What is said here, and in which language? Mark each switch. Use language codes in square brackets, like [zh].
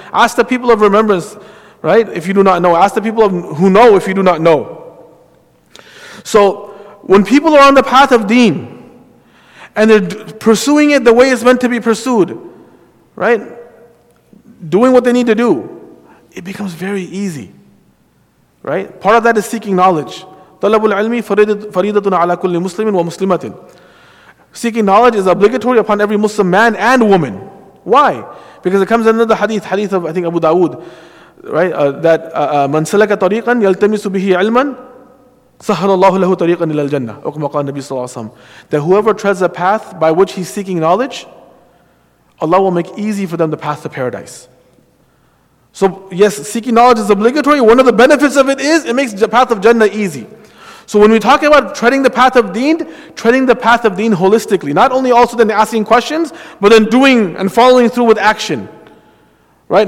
[en] Ask the people of remembrance, right, if you do not know. Ask the people who know if you do not know. So, when people are on the path of deen, and they're pursuing it the way it's meant to be pursued, right? Doing what they need to do, it becomes very easy, right? Part of that is seeking knowledge. [ar] طلب العلم فريدتنا على كل مسلم ومسلمة. [en] Seeking knowledge is obligatory upon every Muslim man and woman. Why? Because it comes in another hadith of, I think, Abu Dawood, right? That [ar] من سلك طريقا يلتمس به علما سهل الله له طريقا إلى الجنة. وكما قال النبي صلى الله عليه وسلم. [en] That whoever treads a path by which he's seeking knowledge, Allah will make easy for them the path to paradise. So yes, seeking knowledge is obligatory. One of the benefits of it is it makes the path of Jannah easy. So when we talk about treading the path of deen holistically, not only also then asking questions, but then doing and following through with action. Right?